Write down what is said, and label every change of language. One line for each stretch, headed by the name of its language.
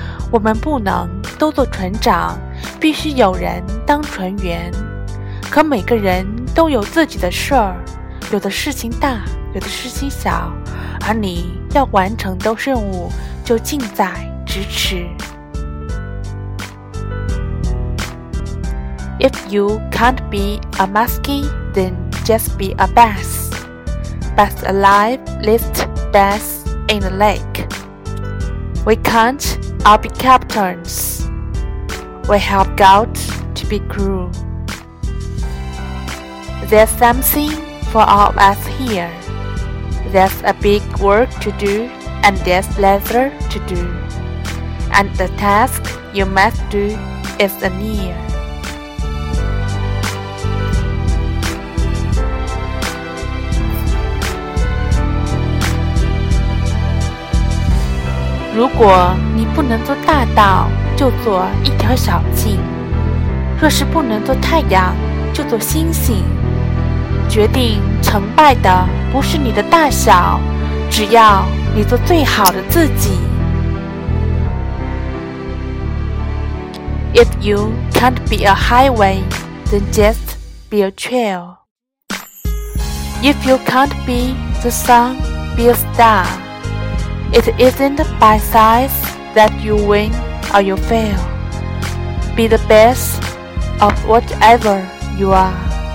Chinese: 我们不能都做船长，必须有人当船员。可每个人都有自己的事儿，有的事情大，有的事情小，而你要完成的任务就近在咫尺。
English: If you can't be a muskie, then just be a bass. Bass alive, least bass in the lake. We can't all be captains. We have got to be crew. There's something for all of us here. There's a big work to do, and there's leisure to do. And the task you must do is near.
Chinese: 如果你不能做大道，就做一条小径。若是不能做太阳，就做星星。决定成败的不是你的大小，只要你做最好的自己。
English: If you can't be a highway, then just be a trail. If you can't be the sun, be a star. It isn't by size that you win or you fail. Be the best of whatever you are.